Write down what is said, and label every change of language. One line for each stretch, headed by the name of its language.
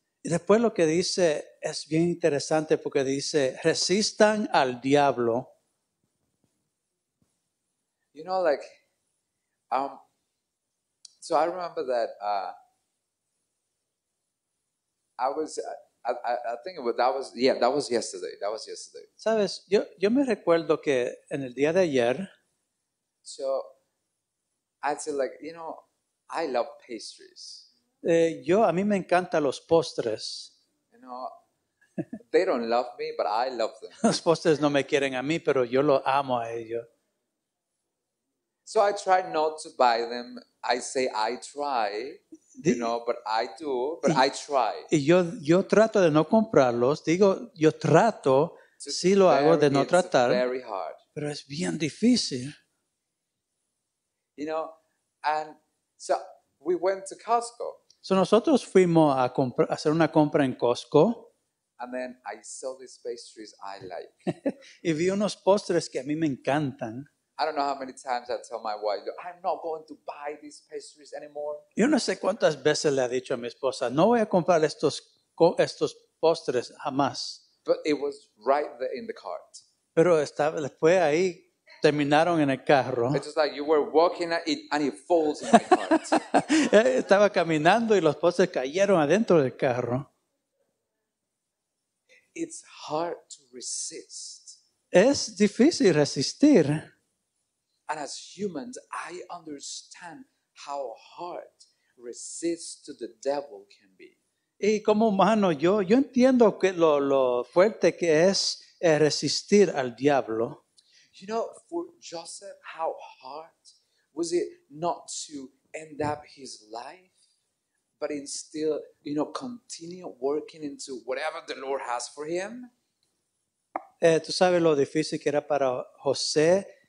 Spanish: Y después lo que dice es bien interesante porque dice, resistan al diablo.
English: You know, like, so I remember that I think that was yesterday.
Spanish: Sabes, yo me recuerdo que en el día de ayer.
English: So, I said, like, you know, I love pastries.
Spanish: A mí me encantan los postres.
English: You know, they don't love me, but I love them.
Spanish: Los postres no me quieren a mí, pero yo lo amo a ellos.
English: So I try not to buy them. I say I try. You know, but I do, but I try.
Spanish: Y yo trato de no comprarlos. Digo, yo trato, sí lo hago de no tratar.
English: Very hard.
Spanish: Pero es bien difícil.
English: You know, and so we went to Costco.
Spanish: So nosotros fuimos a hacer una compra en Costco.
English: And then I saw these pastries I like.
Spanish: Y vi unos postres que a mí me encantan.
English: I don't know how many times I tell my wife, I'm not going to buy these pastries anymore.
Spanish: Yo no sé cuántas veces le he dicho a mi esposa, no voy a comprar estos postres jamás.
English: But it was right there in the cart.
Spanish: Pero estaba después ahí, terminaron en el carro.
English: It's just like you were walking at it and it falls in the cart.
Spanish: Estaba caminando y los postres cayeron adentro del carro.
English: It's hard to resist.
Spanish: Es difícil resistir.
English: And as humans, I understand how hard resist to the devil can be.
Spanish: Y como humano, yo entiendo que lo fuerte que es resistir al diablo.
English: You know, for Joseph, how hard was it not to end up his life, but instead, you know, continue working into whatever the Lord has for him?
Spanish: Tú sabes lo difícil que era para José.